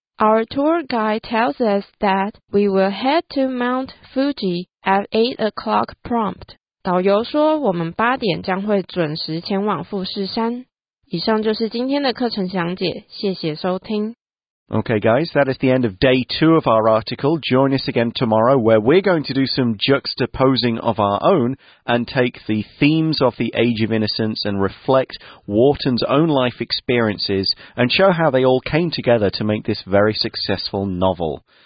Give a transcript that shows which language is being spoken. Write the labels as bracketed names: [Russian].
[English] Our tour guide tells us that we will head to Mount Fuji at 8 o'clock prompt. [Chinese] 导游说我们八点将会准时前往富士山。以上就是今天的课程详解，谢谢收听。 [English] Okay, guys, that is the end of day 2 of our article. Join us again tomorrow where we're going to do some juxtaposing of our own and take the themes of the Age of Innocence and reflect Wharton's own life experiences and show how they all came together to make this very successful novel.